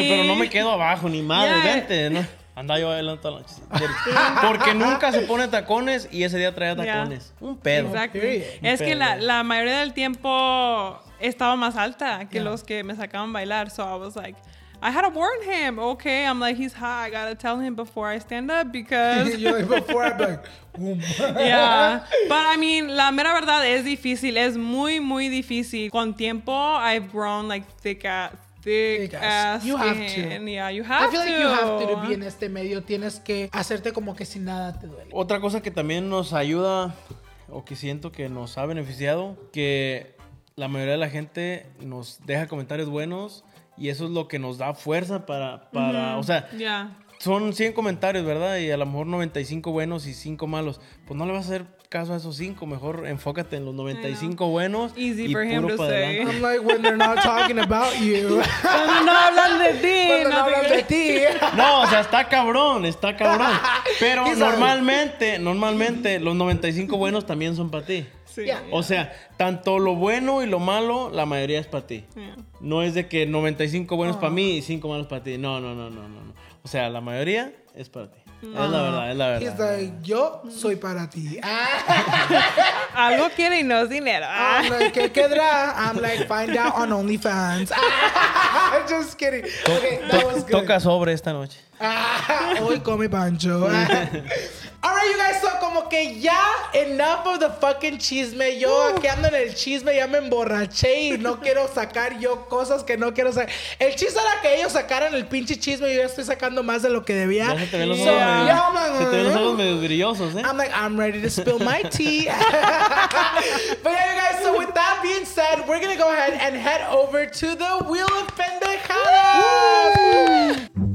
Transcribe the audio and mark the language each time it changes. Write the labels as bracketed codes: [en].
[es] Dije, pero no me quedo abajo, ni madre. Yeah. Vente, ¿no? Andaba yo adelante toda la noche. Porque nunca se pone tacones. Y ese día traía tacones. Yeah. Un pedo. Exactly. Okay. Es pedo. Que la mayoría del tiempo... estaba más alta que los que me sacaban bailar. [en] So I was like, I had to warn him. Okay, I'm like, he's hot. I gotta tell him before I stand up because... You're like, before I'm like, boom. [es] Yeah. [en] But I mean, [es] la mera verdad es difícil. Es muy, muy difícil. Con tiempo, [en] I've grown like thick ass. You have to. Yeah, you have to. I feel to. Like you have to be in [es] este medio. Tienes que hacerte como que si nada te duele. Otra cosa que también nos ayuda o que siento que nos ha beneficiado, que... la mayoría de la gente nos deja comentarios buenos y eso es lo que nos da fuerza para uh-huh. O sea, [en] yeah. [es] Son 100 comentarios, ¿verdad? Y a lo mejor 95 buenos y 5 malos. Pues no le vas a hacer caso a esos 5. Mejor enfócate en los 95 buenos. [en] Easy for him to say. Adelante. I'm like, when they're not talking about you. [es] Cuando no hablan de ti. Cuando no hablan de ti. No, o sea, está cabrón. Pero normalmente, los 95 buenos también son para ti. Sí. Yeah. O sea, tanto lo bueno y lo malo, la mayoría es para ti. [en] Yeah. [es] No es de que 95 buenos para mí y 5 malos para ti. No. O sea, la mayoría es para ti. No. Es la verdad. [en] He's like, [es] yo soy para ti. Algo quiere y no es dinero. [en] I'm like, [es] ¿qué quedará? [en] I'm like, find out on OnlyFans. Just kidding. [es] Toca sobre esta noche. Hoy come Pancho. [en] All right, you guys, so [es] como que ya [en] enough of the fucking chisme. [es] Yo aquí ando en el chisme, ya me emborraché y no quiero sacar yo cosas que no quiero sacar. El chiste era que ellos sacaran el pinche chisme y yo ya estoy sacando más de lo que debía. Se te ven los ojos medio brillosos, ¿eh? [en] I'm like, I'm ready to spill my tea. But yeah, you guys, so with that being said, we're gonna go ahead and head over to the Wheel of Pendejadas.